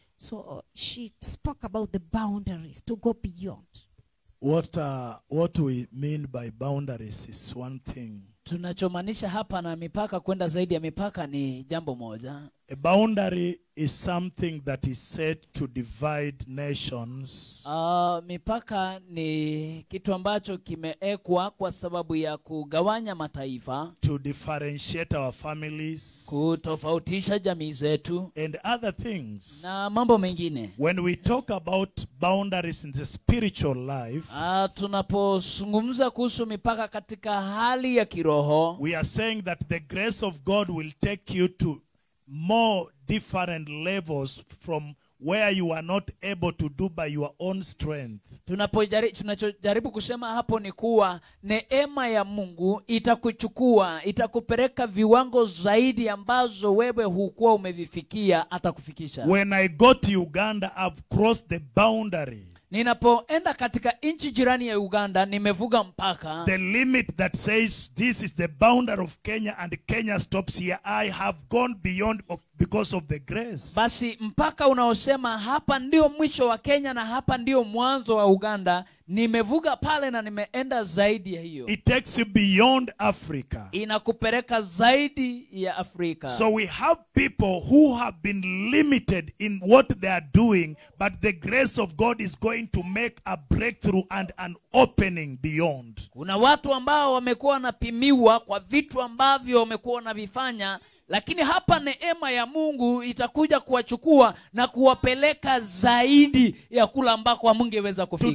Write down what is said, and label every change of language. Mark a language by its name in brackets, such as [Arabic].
[English] So she spoke about the boundaries to go beyond. What we mean by boundaries is one thing. [Swahili] Tunachomaanisha hapa na mipaka kwenda zaidi ya mipaka ni jambo moja. [English] A boundary is something that is set to divide nations. [Swahili] Mipaka ni kitu ambacho kimeekwa kwa sababu ya kugawanya mataifa. [English] To differentiate our families. [Swahili] Kutofautisha jamii zetu. [English] And other things. [Swahili] Na mambo mengine. [English] When we talk about boundaries in the spiritual life. [Swahili] Tunapozungumza kuhusu mipaka katika hali ya kiroho. [English] We are saying that the grace of God will take you to more different levels from where you are not able to do by your own strength. [Swahili] Tunachojaribu kusema hapo ni kuwa neema ya Mungu itakuchukua, itakupeleka viwango zaidi ambazo wewe hukuwa umevifikia atakufikisha. [English] When I go to Uganda, I've crossed the boundary. [Swahili] Ninapoenda katika inchi jirani ya Uganda, nimevuga mpaka. [English] The limit that says this is the boundary of Kenya and Kenya stops here, I have gone beyond because of the grace. [Swahili] Basi mpaka unaosema hapa ndio mwisho wa Kenya na hapa ndio mwanzo wa Uganda, nimevuga pale na nimeenda zaidi ya hiyo. [English] It takes you beyond Africa. [Swahili] Inakupeleka zaidi ya Afrika. [English] So we have people who have been limited in what they are doing, but the grace of God is going to make a breakthrough and an opening beyond. [Swahili] Kuna watu ambao wamekuwa napimiwa kwa vitu ambavyo wamekuwa navifanya, lakini hapa neema ya Mungu itakuja kuwachukua na kuwapeleka zaidi ya kula ambako hamngeweza kufika.